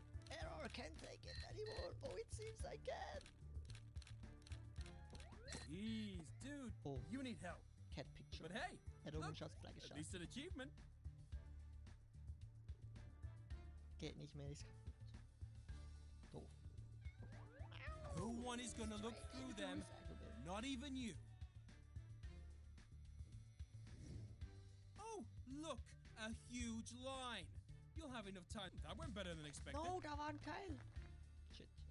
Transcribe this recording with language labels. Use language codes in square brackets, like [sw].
[en] Error, can't take it anymore. Oh, it seems I can. Jeez, dude, oh. You need help. Cat picture. But hey, look, just like a at least an achievement. [de] Geht nicht mehr, ist kaputt. Doof. [en] No one is gonna look through them. Not even you. Oh, look. A huge line. You'll have enough time. That went better than expected. [de] No, da war ein Keil. Shit.